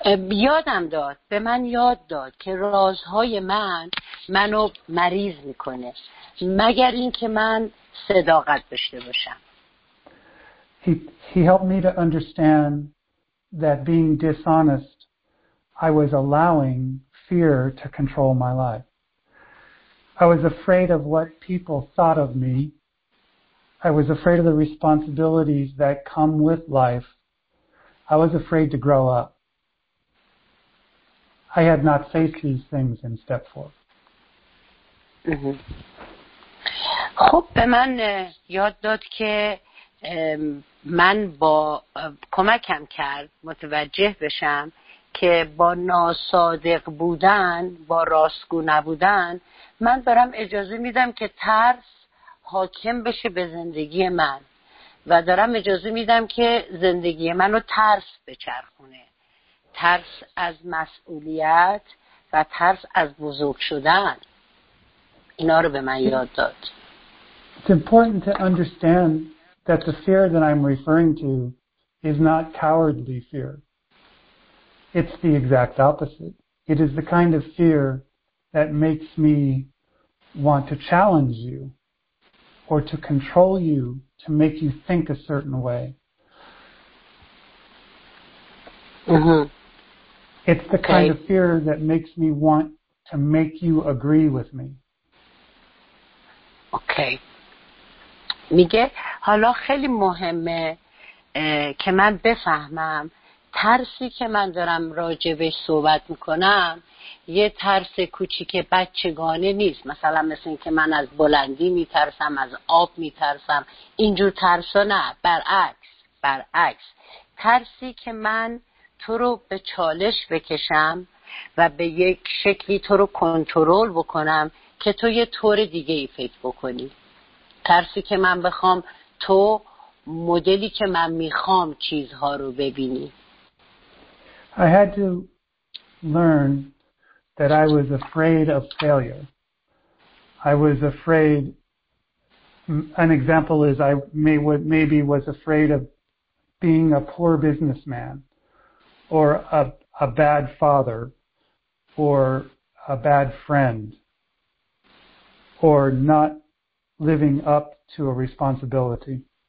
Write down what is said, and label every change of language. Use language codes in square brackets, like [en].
[fa] یادم داد، به من یاد داد که رازهای من منو مریض میکنه مگر اینکه من صداقت داشته باشم. [en] He helped me to understand that being dishonest, I was allowing fear to control my life. I was afraid of what people thought of me. I was afraid of the responsibilities that come with life. I was afraid to grow up. I had not faced these things in step four. [fa] خب به من یاد داد که من با کمکم کرد متوجه بشم که با ناصادق بودن، با راستگو نبودن، من دارم اجازه میدم که ترس حاکم بشه به زندگی من و دارم اجازه میدم که زندگی منو ترس بچرخونه. ترس از مسئولیت و ترس از بزرگ شدن، اینا رو به من یاد داد. [en] It's important to understand that the fear that I'm referring to is not cowardly fear. It's the exact opposite. It is the kind of fear that makes me want to challenge you or to control you, to make you think a certain way. It's the kind of fear that makes me want to make you agree with me. Okay. [fa] میگه حالا خیلی مهمه که من بفهمم ترسی که من دارم راجع بهش صحبت میکنم یه ترس کوچیک بچگانه نیست. مثلا مثل این که من از بلندی میترسم، از آب میترسم، اینجور ترسا نه، برعکس. ترسی که من تو رو به چالش بکشم و به یک شکلی تو رو کنترل بکنم که تو یه طور دیگه ای فکر بکنی. ترسی که من بخوام تو مدلی که من میخوام چیزها رو ببینی. [en] I had to learn that I was afraid of failure. I was afraid, an example is I maybe was afraid of being a poor businessman or a bad father or a bad friend or not living up to a responsibility.